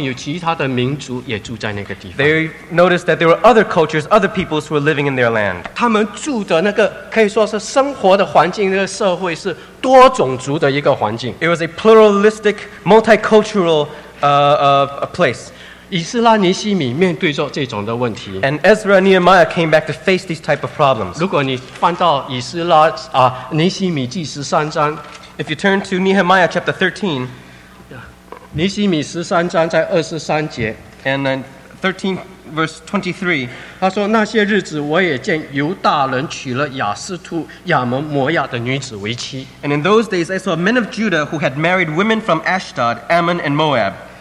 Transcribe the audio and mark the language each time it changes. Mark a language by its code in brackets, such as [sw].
[zh] 他们发现有其他的民族也住在那个地方。 [en] They noticed that there were other cultures, other peoples who were living in their land. [zh] 他们住的那个可以说是生活的环境，那个社会是多种族的一个环境。 [en] It was a pluralistic, multicultural place. [zh] 以斯拉尼西米面对着这种的问题。 [en] And Ezra and Nehemiah came back to face these type of problems. [zh] 如果你翻到以斯拉尼西米记十三章， [en] If you turn to Nehemiah chapter 13, [zh] 尼西米十三章在23节， [en] And then 13 verse 23, [zh] 他说那些日子我也见犹大人娶了雅斯图亚门摩亚的女子为妻。 [en] And in those days I saw men of Judah who had married women from Ashdod, Ammon, and Moab.